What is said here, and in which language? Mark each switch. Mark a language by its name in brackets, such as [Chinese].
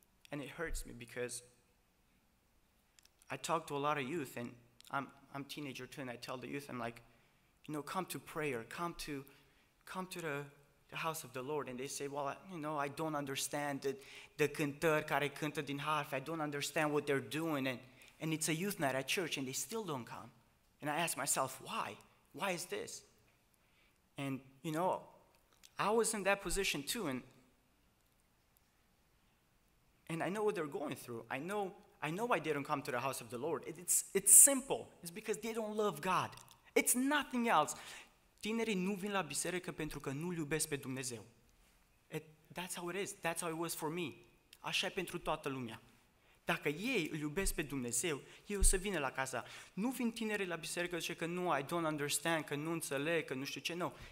[English] And it hurts me because I talk to a lot of youth and I'm teenager too, and I tell the youth, I'm like, you know, come to prayer, come to the house of the Lord. And they say, well, I don't understand the [Romanian] cântări care cântă din harfă. [English] I don't understand what they're doing. And it's a youth night at church and they still don't come. And I ask myself, why? Why is this? And, you know, I was in that position too, and I know what they're going through. I know why they don't come to the house of the Lord. It's simple. It's because they don't love God. It's nothing else. [Romanian] Tinerii nu vin la biserică pentru că nu-L iubesc pe Dumnezeu. [English] That's how it is. That's how it was for me. [Romanian] Așa e pentru toată lumea. Dacă ei îl iubesc pe Dumnezeu, ei o să vină la casa. Nu vin tinerii la biserică și zice că nu, [English] I don't understand, [Romanian] că nu înțeleg, că nu știu ce, nu.